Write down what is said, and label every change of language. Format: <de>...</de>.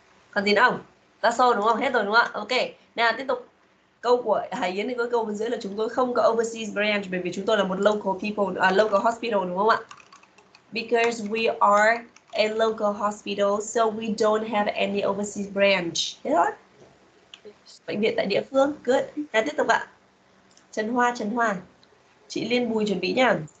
<vi>Còn gì nữa không?</vi> <en>That's all</en> <vi>đúng không? Hết rồi đúng không ạ? Ok. Nào tiếp tục. Câu của Hải Yến thì có câu bên dưới là chúng tôi không có overseas branch bởi vì chúng tôi là một</vi> <en>local people, local hospital</en> <vi>đúng không ạ?</vi> <en>Because we are a local hospital, so we don't have any overseas branch.</en> <vi>Hết rồi. Bệnh viện tại địa phương. Good. Nào tiếp tục ạ. Trần Hoa. Chị Liên Bùi chuẩn bị nhá.</vi>